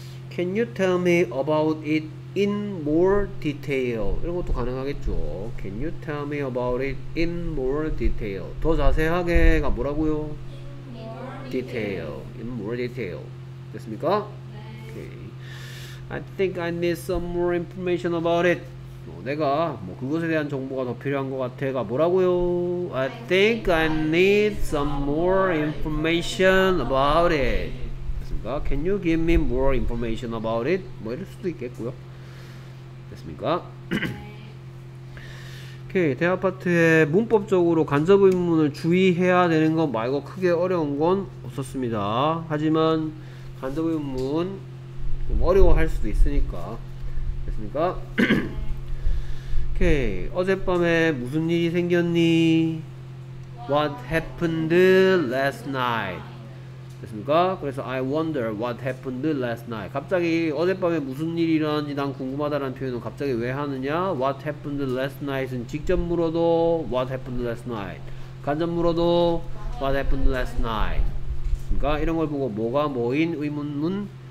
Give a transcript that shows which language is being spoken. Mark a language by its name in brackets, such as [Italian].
[English] Can you tell me about it in more detail? [Korean] 이런 것도 가능하겠죠. [English] Can you tell me about it in more detail? [Korean] 더 자세하게가 뭐라고요? [English] In more detail. [Korean] 됐습니까? 네. [English] Okay. I think I need some more information about it. [Korean] 어, 내가 뭐 그것에 대한 정보가 더 필요한 것 같아가 뭐라고요? [English] I think I need some more information about it. [Korean] 됐습니까? [English] Can you give me more information about it? [Korean] 뭐 이럴 수도 있겠고요. 됐습니까? 오케이. 대아파트에 문법적으로 간접 의문을 주의해야 되는 건 말고 크게 어려운 건 없었습니다. 하지만 간접 의문 좀 어려워할 수도 있으니까. 됐습니까? 오케이. 어젯밤에 무슨 일이 생겼니? [English] What happened last night? [Korean] 됐습니까? [English] 그래서 I wonder what happened last night. [Korean] 갑자기 어젯밤에 무슨 일이 일어났는지 난 궁금하다라는 표현은 갑자기 왜 하느냐? [English] What happened last night은 [Korean] 직접 물어도 [English] What happened last night. [Korean] 간접 물어도 [English] What happened last night. [Korean] 그러니까 이런 걸 보고 뭐가 뭐인 의문문?